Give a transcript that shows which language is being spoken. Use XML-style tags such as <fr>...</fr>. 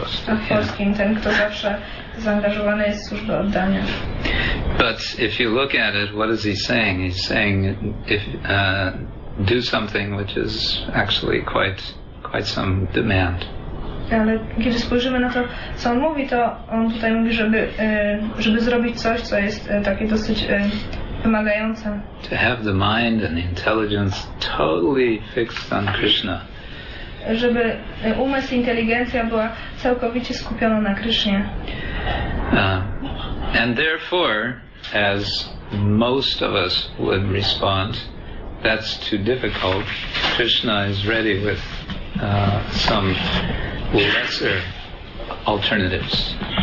<pl>A w polskim ten, kto zawsze zaangażowany jest w służbę oddania.</pl> <en>But if you look at it, what is he saying? He's saying if do something which is actually quite some demand.</en> <pl>Ale kiedy spojrzymy na to, co on mówi, to on tutaj mówi, żeby zrobić coś, co jest takie dosyć wymagające.</pl> <en>To have the mind and the intelligence totally fixed on Krishna.</en> <pl>Żeby umysł i inteligencja była całkowicie skupiona na Krishnie.</pl> <en>And therefore, as most of us would respond, that's too difficult. Krishna is ready with some lesser alternatives.</en>